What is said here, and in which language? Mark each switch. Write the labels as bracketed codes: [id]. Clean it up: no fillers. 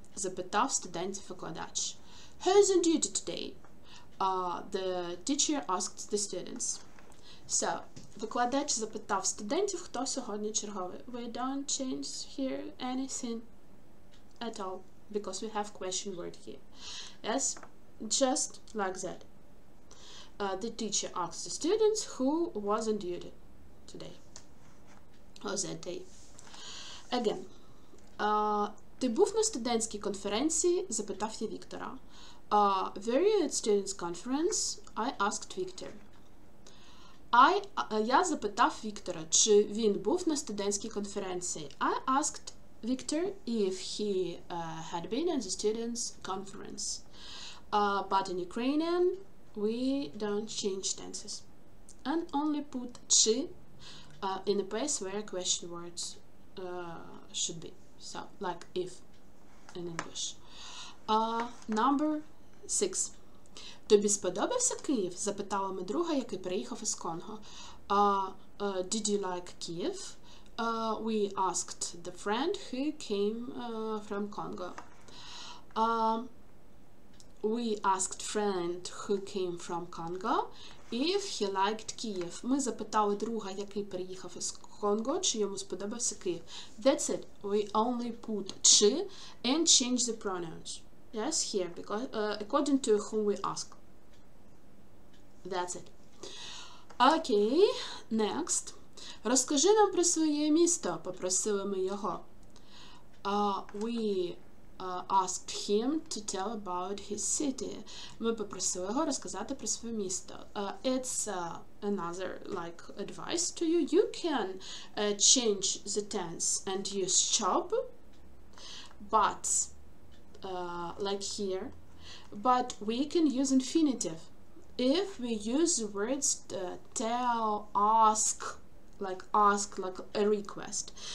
[uk] Запитав студент-викладач. [en] Who's on duty today? The teacher asked the students. [uk] So, викладач запитав студентів, хто сьогодні черговий. [en] We don't change here anything at all, because we have question word here. Yes, just like that. The teacher asked the students who was on duty today, or that day. [uk] Again, ти був на студентській конференції, запитав я Віктора. [en] Were you at students' conference? I asked Victor. [uk] Я запитав Віктора, чи він був на студентській конференції. [en] I asked Victor if he had been at the students' conference. But in Ukrainian, we don't change tenses. And only put чи in a place where question words should be. So, like if in English. Number 6. [uk] Тобі сподобався Київ? Запитала ми друга, який приїхав із Конго. [en] Did you like Kyiv? We asked the friend who came from Congo. We asked friend who came from Congo if he liked Kyiv. [uk] Ми запитали друга, який приїхав із Конго, чи йому сподобався Київ. [en] That's it. We only put чи and change the pronouns. Yes, here, because according to whom we ask. That's it. Okay, next. [uk] Розкажи нам про своє місто, попросили ми його. [en] We asked him to tell about his city. [uk] Ми попросили його розказати про своє місто. [en] It's another like advice to you. You can change the tense and use щоб, but like here, but we can use infinitive if we use the words tell, ask, like a request.